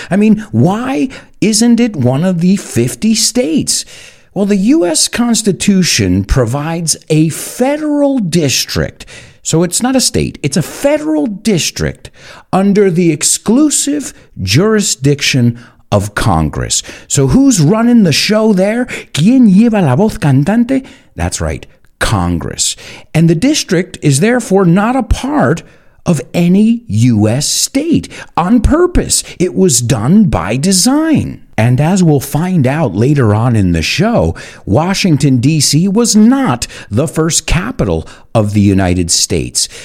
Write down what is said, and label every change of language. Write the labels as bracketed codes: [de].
[en] I mean, why isn't it one of the 50 states? Well, the U.S. Constitution provides a federal district, so it's not a state, it's a federal district under the exclusive jurisdiction of Congress. So who's running the show there? [es] ¿Quién lleva la voz cantante? [en] That's right, Congress. And the district is therefore not a part of any U.S. state. On purpose, it was done by design. And as we'll find out later on in the show, Washington, D.C. was not the first capital of the United States.